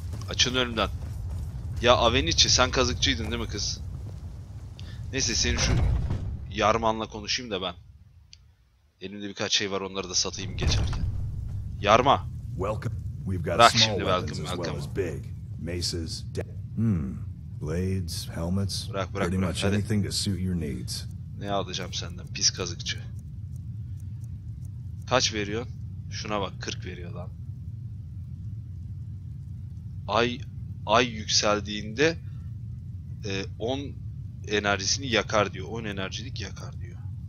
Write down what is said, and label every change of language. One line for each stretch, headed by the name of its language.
Turkish: Açın önümden. Ya Avenici sen kazıkçıydın değil mi kız? Neyse senin şu Yarman'la konuşayım da ben. Elimde birkaç şey var onları da satayım geçerken. Yarma.
English: Welcome. We've got
Turkish: bırak şimdi
English: welcome. As well as maces, blades, helmets.
Turkish: Bırak. Hadi.
English: Anything to suit your needs.
Turkish: Ne alacağım senden pis kazıkçı? Kaç veriyorsun? Şuna bak 40 veriyor lan. Ay yükseldiğinde 10 enerjisini yakar diyor. 10 enerjilik yakar diyor.